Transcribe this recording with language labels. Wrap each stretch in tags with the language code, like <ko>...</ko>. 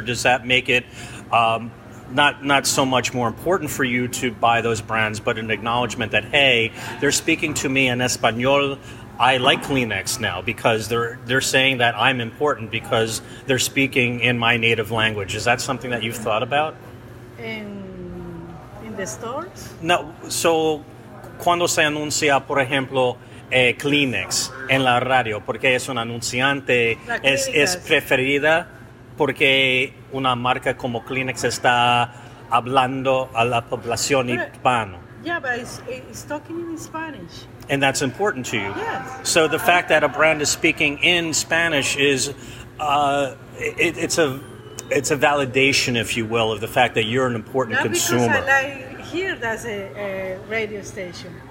<en>Does that make it not so much more important for you to buy those brands, but an acknowledgement that hey, they're speaking to me in Espanol. I like Kleenex now because they're saying that I'm important because they're speaking in my native language. Is that something that you've thought about? In the stores? No. So,</en> <es>cuando se anuncia, por ejemplo, Kleenex en la radio, porque es un anunciante, es preferida, porque una marca como Kleenex está hablando a la población hispana.</es> <en>Yeah, but it's talking in Spanish. And that's important to you. Yes. So the fact that a brand is speaking in Spanish is, it's a validation, if you will, of the fact that you're an important not consumer. Not because I like hear that's a radio station.</en>